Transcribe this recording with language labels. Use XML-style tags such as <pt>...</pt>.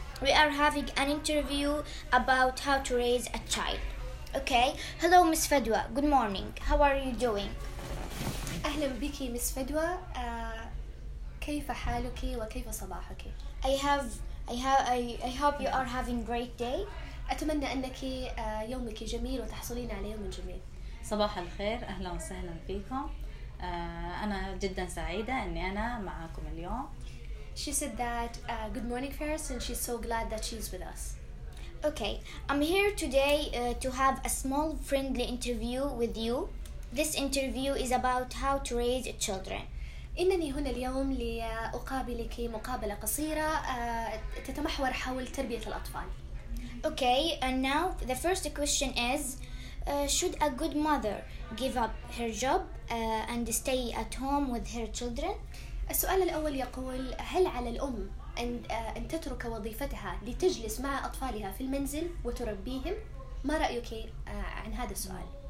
<en>We are having an interview about how to raise a child. Okay, hello Miss Fadwa, good morning. How are you doing?</en> <ar>أهلا بك Miss Fadwa. كيف حالك وكيف صباحك؟</ar> <en>I hope you are having a great day.</en> <ar>أتمنى أنك يومك جميل وتحصلين على يوم جميل. صباح الخير، أهلا وسهلا فيكم. أنا جدا سعيدة أني أنا معاكم اليوم.</ar> <en>She said that good morning Ferris and she's so glad that she's with us. Okay, I'm here today to have a small friendly interview with you. This interview is about how to raise children.</en> <ar>إنني هنا اليوم لأقابلك مقابلة قصيرة تتمحور حول تربية الأطفال.</ar> <en>Okay, and now the first question is, should a good mother give up her job and stay at home with her children?</en> <ar>السؤال الأول يقول هل على الأم أن تترك وظيفتها لتجلس مع أطفالها في المنزل وتربيهم؟ ما رأيك عن هذا السؤال؟</ar>